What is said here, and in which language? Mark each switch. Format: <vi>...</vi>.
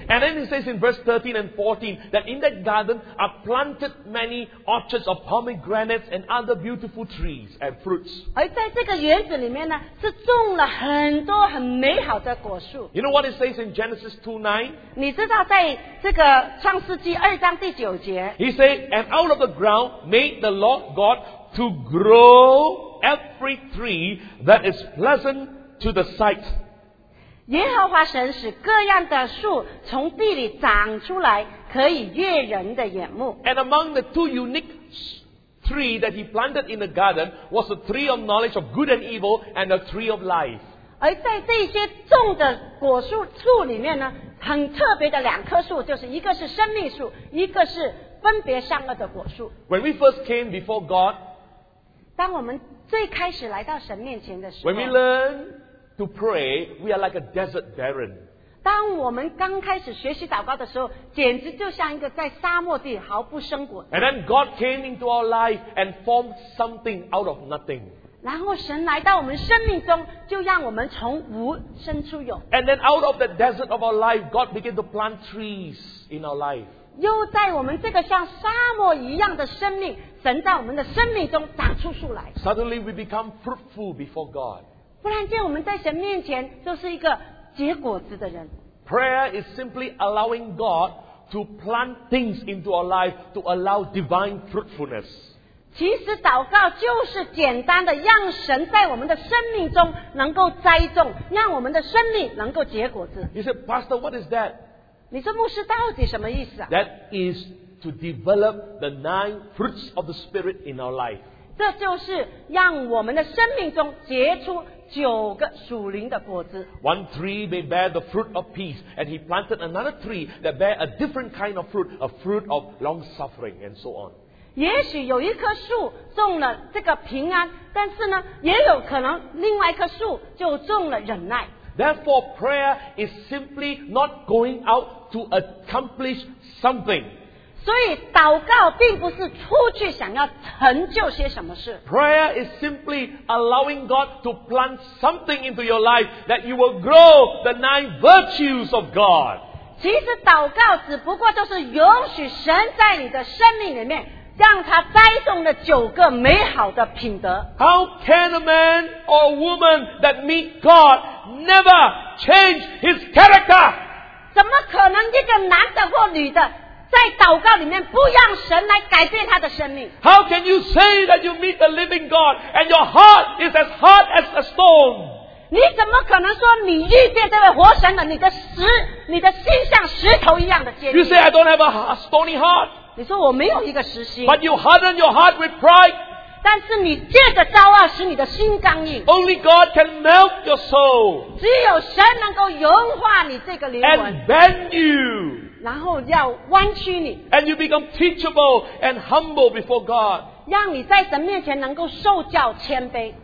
<en>And then it says in verse 13 and 14, that in that garden are planted many orchards of pomegranates and other beautiful trees and fruits.</en> <zh>而在这个园子里面呢，是种了很多很美好的果树。</zh> <en>You know what it says in Genesis 2:9?</en> <zh>你知道在这个创世纪二章第九节。</zh> <en>He said, And out of the ground made the Lord God to grow every tree that is pleasant to the sight.</en> <zh>耶和华神使各样的树从地里长出来，可以悦人的眼目。</zh> <en>And among the two unique trees that he planted in the garden was the tree of knowledge of good and evil and the tree of life.</en> <zh>而在这些种的果树树里面呢，很特别的两棵树，就是一个是生命树，一个是分别善恶的果树。</zh> <en>When we first came before God,</en> <zh>当我们最开始来到神面前的时候，</zh> <en>When we learn to pray, we are like a desert barren.</en> <zh>当我们刚开始学习祷告的时候，简直就像一个在沙漠地毫不生果。</zh> <en>And then God came into our life and formed something out of nothing.</en> <zh>然后神来到我们生命中，就让我们从无生出有。</zh> <en>And then out of the desert of our life, God began to plant trees in our life.</en> <zh>又在我们这个像沙漠一样的生命，神在我们的生命中长出树来。</zh> <en>Suddenly we become fruitful before God.</en> <zh>不然间我们在神面前就是一个结果子的人。</zh> <en>Prayer is simply allowing God to plant things into our life to allow divine fruitfulness.</en> <zh>其实祷告就是简单的让神在我们的生命中能够栽种，让我们的生命能够结果子。</zh> <en>You say, Pastor, what is that?</en> <zh>你说牧师到底什么意思啊？</zh> <en>That is... to develop the nine fruits of the Spirit in our life.</en> <zh>这就是让我们的生命中结出九个属灵的果子。</zh> <en>One tree may bear the fruit of peace, and he planted another tree that bear a different kind of fruit, a fruit of long-suffering, and so on.</en> <zh>也许有一棵树种了这个平安，但是呢，也有可能另外一棵树就种了忍耐。</zh> <en>Therefore, prayer is simply not going out to accomplish something.</en> <zh>所以祷告并不是出去想要成就些什么事。</zh> <en>Prayer is simply allowing God to plant something into your life that you will grow the nine virtues of God.</en> <zh>其实祷告只不过就是允许神在你的生命里面让他栽种了九个美好的品德。</zh> <en>How can a man or woman that meet God never change his character?</en> <zh>怎么可能一个男的或女的在祷告里面不让神来改变他的生命。</zh> <en>How can you say that you meet the living God and your heart is as hard as a stone?</en> <zh>你怎么可能说你遇见这位活神了，你的心像石头一样的坚硬？</zh> <en>You say I don't have a stony heart.</en> <zh>你说我没有一个石心。</zh> <en>But you harden your heart with pride.</en> <zh>但是你借着骄傲使你的心刚硬。</zh> <en>Only God can melt your soul.</en> <zh>只有神能够融化你这个灵魂。</zh> <en>And bend you.</en> <zh>然后要弯曲你。</zh> <en>And you become teachable and humble before God.</en> <zh>让你在神面前能够受教谦卑。</zh>